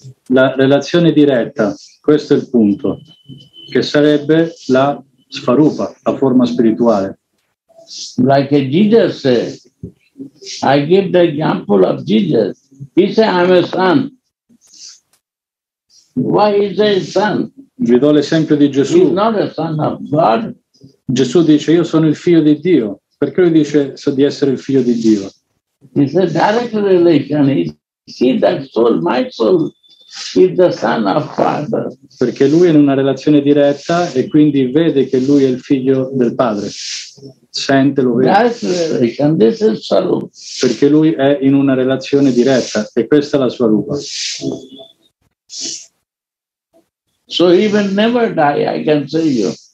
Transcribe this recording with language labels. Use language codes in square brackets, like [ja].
[it] La relazione diretta, questo è il punto, che sarebbe la Svarupa, la forma spirituale. [en] Like Jesus said, I give the example of Jesus. He said, I'm a son. Why is he a son? [it] Vi do l'esempio di Gesù. [en] He's not a son of God. [it] Gesù dice, io sono il figlio di Dio. Perché lui dice di essere il figlio di Dio? [en] It's a direct relation. See that soul, my soul, is the son of Father. [it] Perché lui è in una relazione diretta e quindi vede che lui è il figlio del Padre. Sente lui. [en] This is Svarupa. [it] Perché lui è in una relazione diretta e questa è la sua rupa. [en] So he will never die, I can say you.